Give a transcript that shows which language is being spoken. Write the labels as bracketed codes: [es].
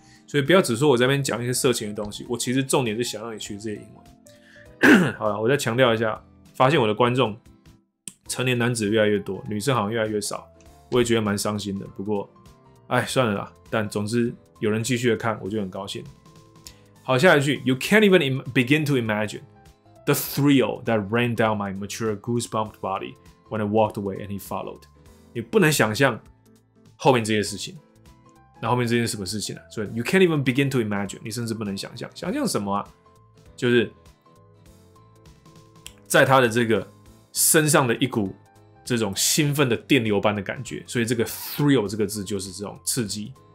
[zh] 所以不要只说我在那边讲一些色情的东西，我其实重点是想让你学这些英文。好了，我再强调一下，发现我的观众。成年男子越来越多，女生好像越来越少，我也觉得蛮伤心的。不过，哎，算了啦。但总之，有人继续的看，我就很高兴。好，下一句 [en] ，You can't even begin to imagine the thrill that ran down my mature, goosebumped body when I walked away and he followed。 [zh] 你不能想象后面这些事情。那后面这件什么事情呢、啊？所以 ， [en] You can't even begin to imagine， [zh] 你甚至不能想象，想象什么啊？就是在他的这个。身上的一股这种兴奋的电流般的感觉，所以这个 thrill 这个字就是这种刺激。